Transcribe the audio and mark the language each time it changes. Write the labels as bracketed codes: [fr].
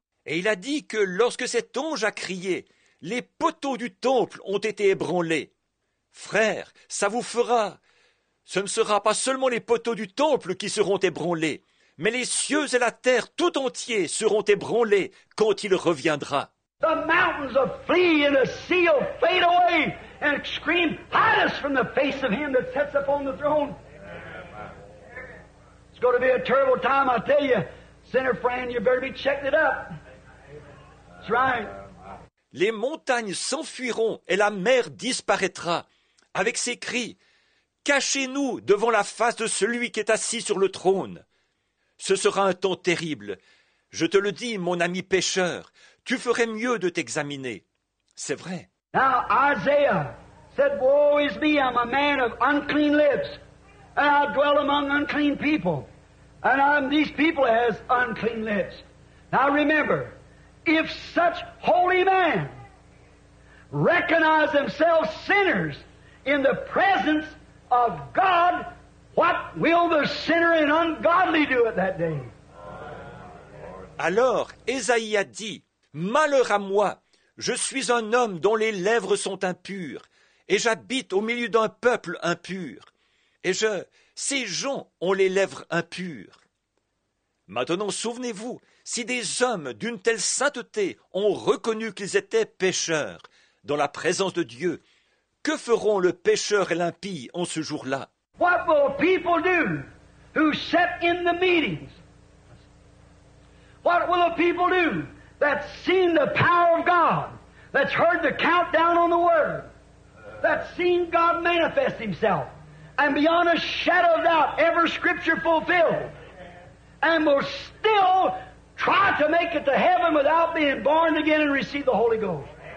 [fr] Et il a dit que lorsque cet ange a crié, les poteaux du temple ont été ébranlés. Frère, ça vous fera. Ce ne sera pas seulement les poteaux du temple qui seront ébranlés, mais les cieux et la terre tout entier seront ébranlés quand il reviendra. [en] The mountains will flee and the sea will fade away and scream, hide us from the face of him that sits upon the throne. It's going to be a terrible time, I tell you. Sinner friend, you better be checking it up. That's right. [fr] Les montagnes s'enfuiront et la mer disparaîtra. Avec ses cris, cachez-nous devant la face de celui qui est assis sur le trône. Ce sera un temps terrible. Je te le dis, mon ami pêcheur, tu ferais mieux de t'examiner. C'est vrai. [en] Now, Isaiah said, woe is me, I'm a man of unclean lips, and I dwell among unclean people, and I'm these people as unclean lips. Now remember, if such holy men recognize themselves sinners in the presence of God, what will the sinner and ungodly do at that day? [fr] Alors, Esaïe a dit, « Malheur à moi, je suis un homme dont les lèvres sont impures, et j'habite au milieu d'un peuple impur, et ces gens ont les lèvres impures. » Maintenant, souvenez-vous, si des hommes d'une telle sainteté ont reconnu qu'ils étaient pécheurs dans la présence de Dieu, que feront le pécheur et l'impie en ce jour-là? [en] What will people do who sit in the meetings? What will the people do that's seen the power of God, that's heard the countdown on the Word, that's seen God manifest Himself, and beyond a shadow of doubt, ever Scripture fulfilled, and will still try to make it to heaven without being born again and receive the Holy Ghost?